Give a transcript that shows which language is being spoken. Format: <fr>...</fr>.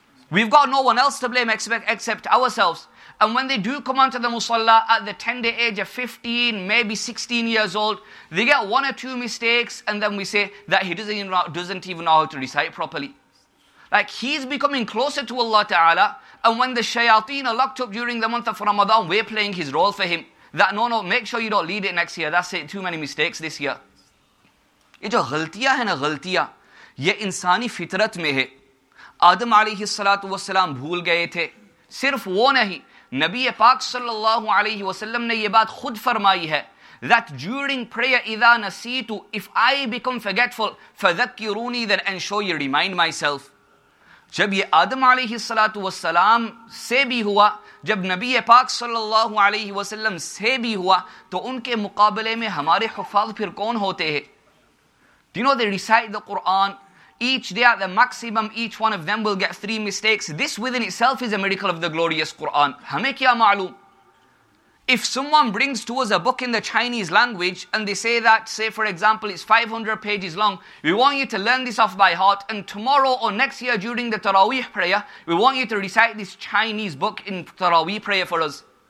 <en>We've got no one else to blame except ourselves. And when they do come onto the musalla at the tender age of 15, maybe 16 years old, they get one or two mistakes, and then we say that he doesn't even know how to recite properly. Like, he's becoming closer to Allah Ta'ala, and when the shayateen are locked up during the month of Ramadan, we're playing his role for him. That, no, make sure you don't lead it next year. That's it, too many mistakes this year. It's a</en> <ur>ghaltiya hai na ghaltiya. یہ انسانی فطرت میں ہے. آدم علیہ الصلوۃ والسلام بھول گئے تھے. صرف وہ نہیں, نبی پاک صلی اللہ علیہ وسلم نے یہ بات خود فرمائی ہے</ur> <en>that during prayer</en> <ar>اذا نسیت</ar> <en>if I become forgetful</en> <ar>فذکرونی</ar> <en>then and show you remind myself.</en> <ur>جب یہ آدم علیہ الصلوۃ والسلام سے بھی ہوا, جب نبی پاک صلی اللہ علیہ وسلم سے بھی ہوا, تو ان کے مقابلے میں ہمارے حفاظ پھر کون ہوتے ہیں؟</ur> <en>Do you know they recite the Quran each day at the maximum, each one of them will get 3 mistakes. This within itself is a miracle of the glorious Quran.</en> <ur>Hame kya maloom?</ur> <en>If someone brings to us a book in the Chinese language and they say that, say for example, it's 500 pages long, we want you to learn this off by heart, and tomorrow or next year during the Taraweeh prayer, we want you to recite this Chinese book in Taraweeh prayer for us.</en>